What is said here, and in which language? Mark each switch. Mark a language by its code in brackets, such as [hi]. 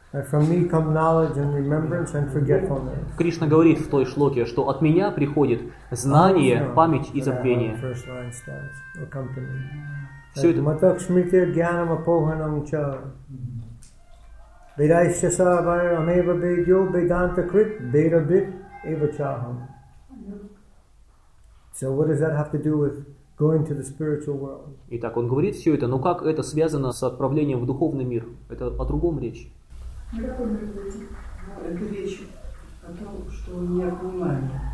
[en] From me come knowledge and remembrance and forgetfulness. [ru] Кришна говорит в той шлоке, что от меня приходит знание, память и забвение. Все это. [sa] Matak smriti jnanam apohanam cha. Vedaisya savar ameva vedyo vedanta krit vedabit eva chaham. [en] So what does that have to do with going to the spiritual world? [ru] Итак, он говорит все это, но как это связано с отправлением в духовный мир? Это о другом речь. Это речь о том, что не понимание.